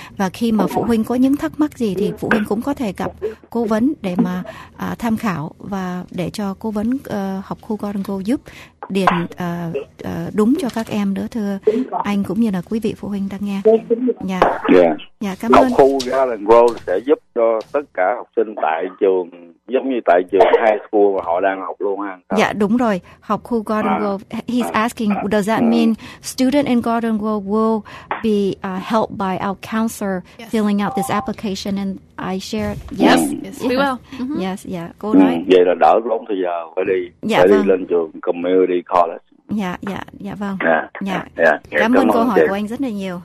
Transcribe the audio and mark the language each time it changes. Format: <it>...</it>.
<vi>Và khi mà phụ huynh có những thắc mắc gì thì phụ huynh cũng có thể gặp cố vấn để mà tham khảo, và để cho cố vấn học khu Golden Grove giúp điền đúng cho các em nữa, thưa anh cũng như là quý vị phụ huynh đang nghe. Cảm ơn. Học khu Golden Grove sẽ giúp cho tất cả học sinh tại trường, giống như tại trường high school mà họ đang học luôn ha. Dạ đúng rồi, học khu Golden Grove.</vi> <en>He's asking, does that mean student in Golden Grove will be helped by our counselor, yes, filling out this application? And I share, yes, we will. Mm-hmm. Yes, yeah.</en> <vi>Cô nói. Vậy là đỡ lắm thời giờ phải đi lên trường Community College. Dạ, vâng.</vi> <en>Yeah.</en> <vi>Cảm ơn câu hỏi của anh rất là nhiều.</vi>